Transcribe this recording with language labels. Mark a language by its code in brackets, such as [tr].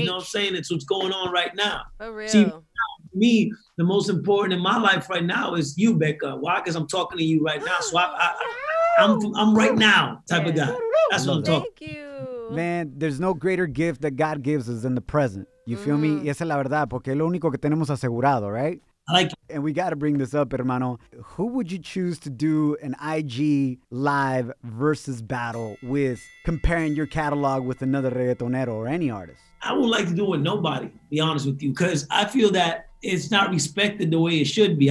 [en] You know what I'm saying? It's what's going on right now. For real. See, me, the most important in my life right now is you, Becca. Why? Because I'm talking to you right now. So I I'm right now type of guy. That's what I'm talking. Thank you. Man, there's no greater gift that God gives us than the present. You feel me? [es] Y esa es la verdad, porque es lo único que tenemos asegurado, right? [en] And we got to bring this up, hermano. Who would you choose to do an IG live versus battle with, comparing your catalog with another reggaetonero or any artist? I would like to do it with nobody, to be honest with you, because I feel that it's not respected the way it should be.